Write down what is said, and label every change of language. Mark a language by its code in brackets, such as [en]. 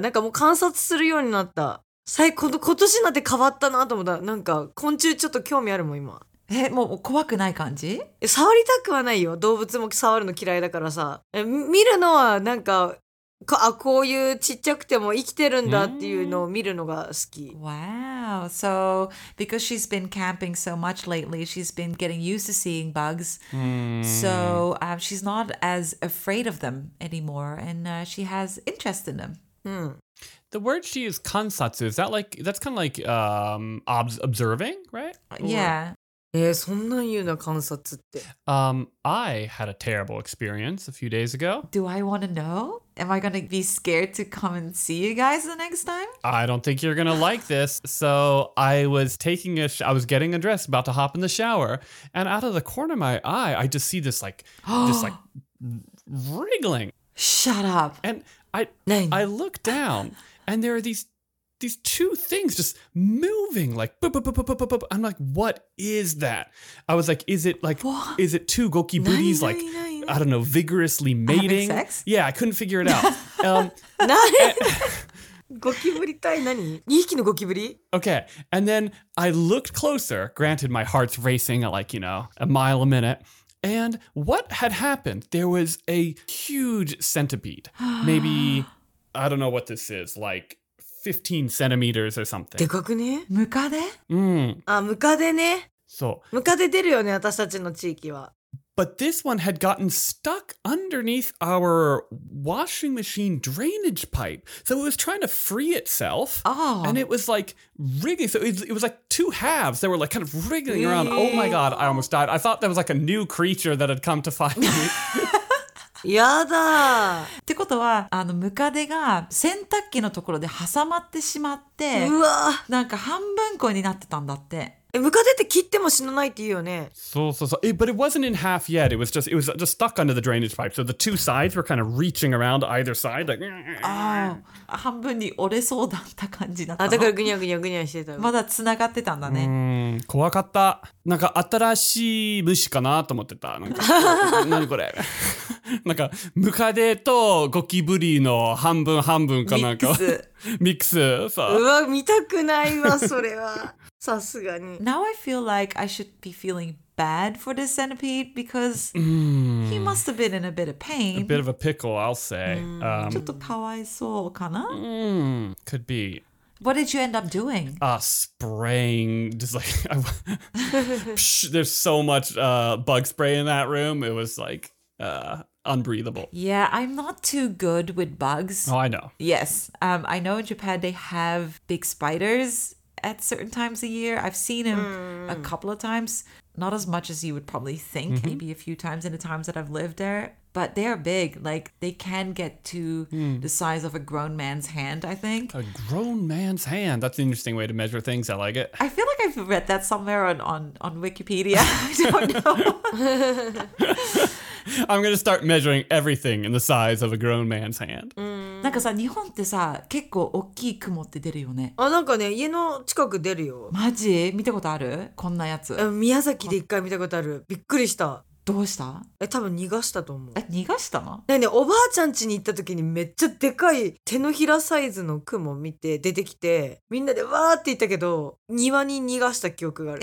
[ja] なんかもう観察するようになった。最近今年になって変わったなと思った。なんか昆虫ちょっと興味あるもん今。え、もう怖くない感じ？触りたくはないよ。動物も触るの嫌いだからさ。え、見るのはなんか、あ、こういうちっちゃくても生きてるんだっていうのを見るのが好き。 [en] Wow. So, because she's been camping so much lately, she's been getting used to seeing bugs. So, she's not as afraid of them anymore. And she has interest in them. Hmm. The word she used, kansatsu, is that like, that's kind of like observing, right? Yeah. [ja] そんなん言うな、観察って。 [en] I had a terrible experience a few days ago. Do I want to know? Am I going to be scared to come and see you guys the next time? I don't think you're going to like this. So I was taking a I was getting a dress, about to hop in the shower. And out of the corner of my eye, I just see this like, just like wriggling. Shut up. And I look down and there are these two things just moving like, bup, bup, bup, bup, bup, bup. I'm like, what is that? I was like, is it two gokiburis like, I don't know, vigorously mating? Having sex? Yeah, I couldn't figure it out. [ja] Gokiburi tai nani? Iiki no gokiburi? [en] Okay, and then I looked closer, granted my heart's racing at like, you know, a mile a minute. And what had happened? There was a huge centipede. Maybe, I don't know what this is, like 15 centimeters or something. [ja] でかくね？ムカデ？うん。あ、ムカデね。そう。ムカデ出るよね、私たちの地域は。 [en] But this one had gotten stuck underneath our washing machine drainage pipe. So it was trying to free itself. Oh. And it was like wriggling. So it was like two halves that were like kind of wriggling around. Oh my God, I almost died. I thought that was like a new creature that had come to find me. [ja] やだ。ってことは、あのムカデが洗濯機のところで挟まってしまって、うわ、なんか半分こになってたんだって。え、ムカデって切っても死なないって言うよね。そうそうそう。 [en] It, but it wasn't in half yet. It was just stuck under the drainage pipe. So the two sides were kind of reaching around either side. Like, [ja] ああ、半分に折れそうだった感じだった。あ、だからグニャグニャグニャしてた。まだ繋がってたんだね。うん、怖かった。なんか新しい虫かなと思ってた。なんか何これ。なんかムカデとゴキブリの半分半分かなんか。ミックス。ミックス。うわ、見たくないわ、それは。さすがに。 [en] Now I feel like I should be feeling bad for this centipede because he must have been in a bit of pain. A bit of a pickle, I'll say. [ja] ちょっとかわいそうかな? [en] Could be. What did you end up doing? Spraying. Just like, there's so much bug spray in that room. It was like unbreathable. Yeah, I'm not too good with bugs. Oh, I know. Yes. I know in Japan they have big spiders. At certain times a year, I've seen him a couple of times. Not as much as you would probably think, maybe a few times in the times that I've lived there. But they are big. Like, they can get to the size of a grown man's hand, I think. A grown man's hand. That's an interesting way to measure things. I like it. I feel like I've read that somewhere on Wikipedia. I don't know. I'm going to start measuring everything in the size of a grown man's hand. [ja] なんかさ、日本ってさ、結構大きい雲って出るよね。あ、なんかね、家の近く出るよ。マジ？見たことある？こんなやつ。宮崎で一回見たことある。びっくりした。どうした？え、多分逃がしたと思う。え、逃がしたの？ね、おばあちゃん家に行った時にめっちゃでかい手のひらサイズの雲見て出てきて、みんなでわーって言ったけど、庭に逃がした記憶がある。